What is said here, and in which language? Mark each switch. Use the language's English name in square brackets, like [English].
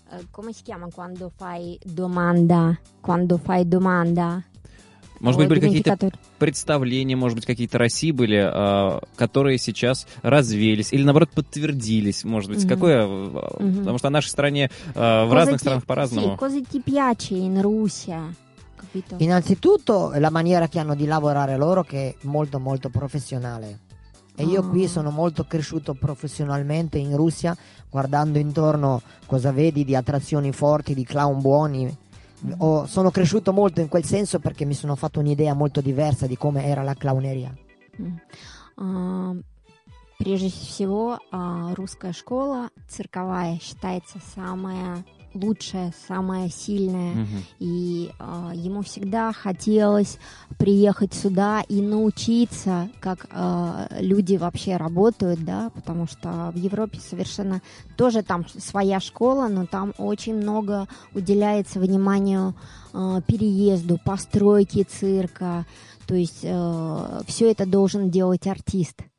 [Italian] Come si chiama quando fai domanda? Quando fai domanda? [Russian] Может быть, были какие-то представления, может быть, какие-то России были, которые сейчас развеялись или, наоборот, подтвердились, может быть. Mm-hmm. Какое? Mm-hmm. Потому что в нашей стране, в разных странах по-разному. [Italian] Sì, cosa ti piace in Russia? Innanzitutto la maniera che hanno di lavorare loro, che è molto molto professionale. E io qui sono molto cresciuto professionalmente in Russia, guardando intorno cosa vedi di attrazioni forti, di clown buoni. Sono cresciuto molto in quel senso, perché mi sono fatto un'idea molto diversa di come era la clowneria. [Russian] Прежде всего, русская школа цирковая считается самая лучшее, самое сильное, и ему всегда хотелось приехать сюда и научиться, как люди вообще работают, да, потому что в Европе совершенно тоже там своя школа, но там очень много уделяется вниманию переезду, постройке цирка, то есть все это должен делать артист.